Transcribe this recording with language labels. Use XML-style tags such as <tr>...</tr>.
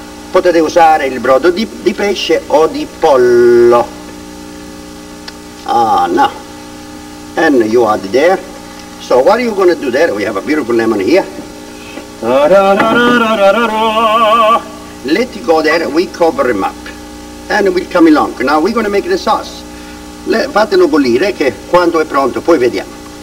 <it>Potete usare il brodo di pesce o di pollo.</it> <en>Ah, no. And you add there. So what are you going to do there? We have a beautiful lemon here. Let it go there, we cover him up. And we'll come along. Now we're going to make the sauce.</en> <it>Fatelo bollire che quando è pronto poi vediamo.</it>